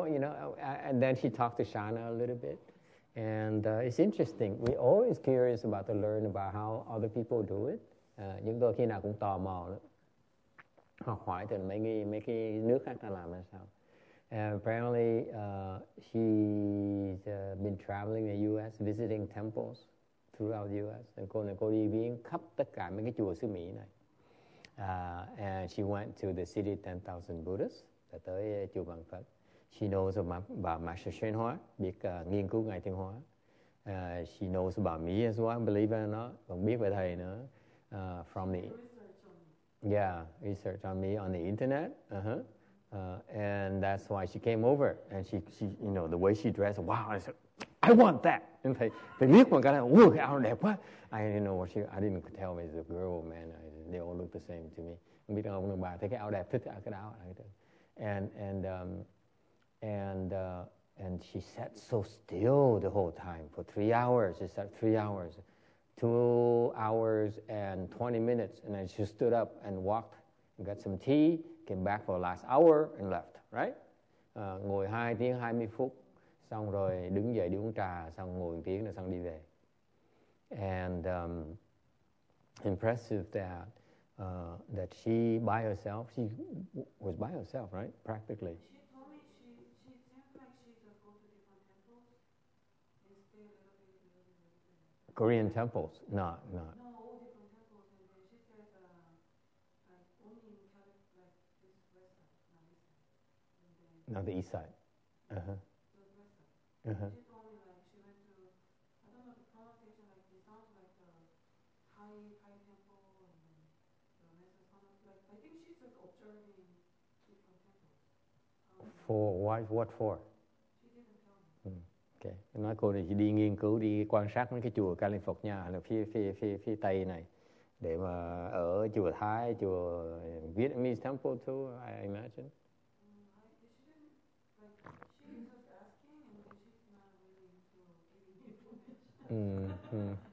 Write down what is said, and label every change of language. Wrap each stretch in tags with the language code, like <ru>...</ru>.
<en>You know, and then she talked to Shana a little bit. And it's interesting. We always curious about to learn about how other people do it.</en> <vi>Chúng tôi khi nào cũng tò mò lắm. Học hỏi từ mấy cái nước khác ta làm sao.</vi> <en>Apparently, she's been traveling the U.S., visiting temples throughout the U.S.</en> <vi>And cô này cô đi viếng khắp tất cả mấy cái chùa xứ Mỹ này.</vi> <en>And she went to the city 10,000 Buddhas,</en> <vi>là tới chùa Bằng Phật.</vi> <en>She knows about Master Shen Hua,</en> <vi>biết nghiên cứu Ngài Thiên Hóa.</vi> <en>She knows about me as well, believe it or not.</en> <vi>Còn biết về thầy nữa.</vi> <en>From the research on me on the internet. And that's why she came over. And she you know, the way she dressed, wow, I said, I want that.</en> <vi>And thầy biết mà cái này, ui, áo đẹp quá.</vi> <en>I didn't know what she, I didn't tell me it's a girl or man. They all look the same to me.</en> <vi>Không biết ông bà thấy cái áo đẹp, thích cái áo.</vi> <en>And she sat so still the whole time for 3 hours. She sat 3 hours, 2 hours and 20 minutes. And then she stood up and walked, and got some tea, came back for the last hour and left, right?</en> <vi>Ngồi 2 tiếng 20 phút, xong rồi đứng dậy đi uống trà, xong ngồi 1 tiếng rồi xong đi về.</vi> <en>And impressive that she by herself, she was by herself, right? Practically. Korean temples, not. No, all different temples, and then she said, only in California, like this west side, not east side. Not the east side. The west side. She told me, like, she went to, I don't know the pronunciation, like, it sounds like the Thai temple, and then the Western temple. Like, I think she's just observing different temples. For why? What for?</en> <vi>Nói cô này chỉ đi nghiên cứu, đi quan sát mấy cái chùa California là phía Tây này, để mà ở chùa Thái, chùa</vi> <en>Vietnamese temple too, I imagine. She didn't, like, she was just asking, and she's not really into giving</en>